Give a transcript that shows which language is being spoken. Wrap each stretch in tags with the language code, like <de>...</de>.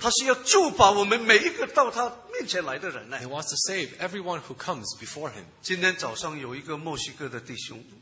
<zh>他是要救把我们每一个到他面前来的人呢,</zh> <en>He wants to save everyone who comes before Him.</en> <zh>今天早上有一个墨西哥的弟兄,</zh>